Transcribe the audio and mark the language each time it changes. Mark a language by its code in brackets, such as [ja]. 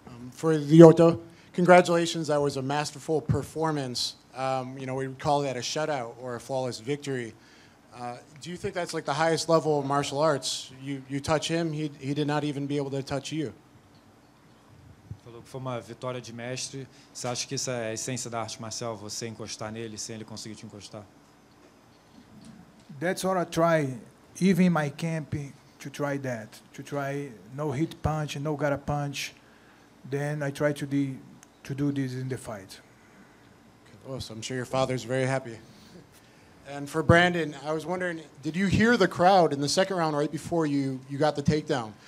[en] For Lyoto, congratulations. That was a masterful performance. You know, we would call that a shutout or a flawless victory. Do you think that's like the highest level of martial arts? You touch him, he did not even be able to touch you. [pt] Falou que foi uma vitória de mestre. Você acha que essa é a essência da arte marcial, você encostar nele sem ele conseguir te encostar? [en] That's what I try, even in my camp, to try that. To try no hit punch, no gotta punch. Then I try to do this in the fight. Awesome. I'm sure your father's very happy. And for Brandon, I was wondering, did you hear the crowd in the second round right before you got the takedown?